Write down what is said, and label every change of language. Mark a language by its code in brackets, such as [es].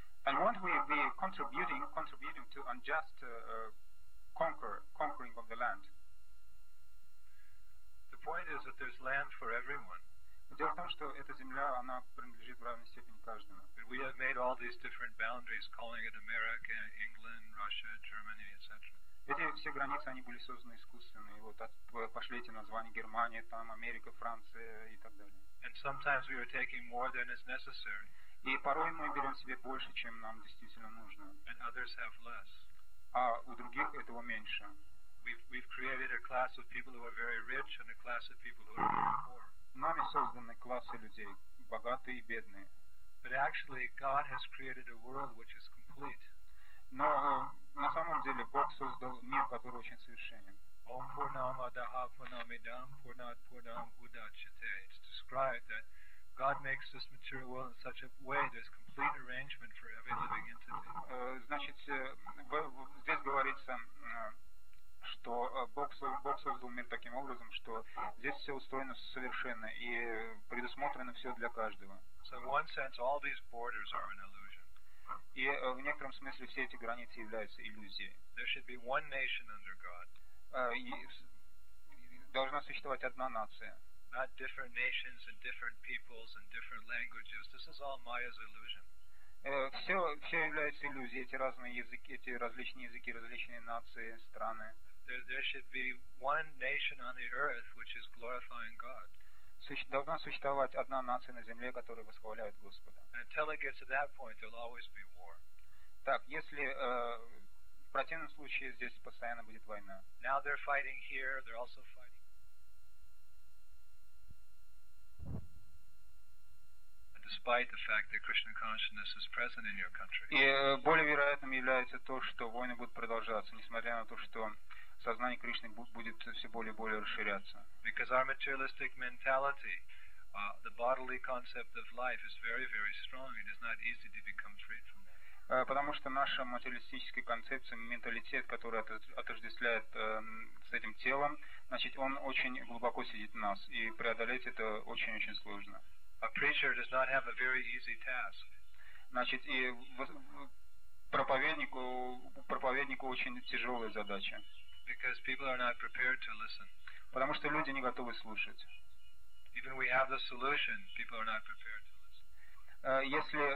[en] And won't we be contributing to unjust conquering of the land? The point is that there's land for everyone. [ru] Дело в том, что эта земля, она принадлежит в равной степени каждому. [en] But we have made all these different boundaries, calling it America, England, Russia, Germany, etc. [ru] Эти все границы, они были созданы искусственные. Вот пошли эти названия: Германия, там Америка, Франция и так далее. [en] And sometimes we are taking more than is necessary. [ru] И порой мы берем себе больше, чем нам действительно нужно. [en] And others have less. [ru] А у других этого меньше. [en] We've created a class of people who are very rich and a class of people who are very poor. [ru] Нами созданы классы людей, богатые и бедные. [en] But actually, God has created a world which is complete. [ru] Но на самом деле Бог создал мир, который очень совершенен. [sa] Ом Пурнама Даха Пурнамидам Пурнат Пурнам Удачате. [en] It's described that God makes this material world in such a way there's complete arrangement for every living entity. [ru] Значит, здесь говорится, что Бог создал мир таким образом, что здесь все устроено совершенно и предусмотрено все для каждого. [en] So in one sense, all these borders are an illusion. [ru] И в некотором смысле все эти границы являются иллюзией. [en] There should be one nation under God. [ru] Должна существовать одна нация. [en] Not different nations and different peoples and different languages. This is all Maya's illusion. [ru] Все является иллюзией. Эти разные языки, эти различные языки, различные нации, страны. [en] There should be one nation on the earth which is glorifying God. [ru] Должна существовать одна нация на земле, которая восхваляет Господа. [en] Until it gets to that point, there'll always be war. [ru] Так, если в противном случае здесь постоянно будет война. [en] Now they're fighting here. They're also fighting. Despite the fact that Krishna consciousness is present in your country. [ru] И более вероятным является то, что войны будут продолжаться, несмотря на то, что сознание Кришны будет все более и более расширяться. [en] Because our materialistic mentality, the bodily concept of life is very, very strong. It is not easy to become free from that. [ru] Потому что наша материалистическая концепция, менталитет, который отождествляет с этим телом, значит, он очень глубоко сидит в нас, и преодолеть это очень-очень сложно. [en] A preacher does not have a very easy task. [ru] Значит, и проповеднику очень тяжелая задача. [en] Because people are not prepared to listen. [ru] Потому что люди не готовы слушать. [en] Even we have the solution, people are not prepared to listen.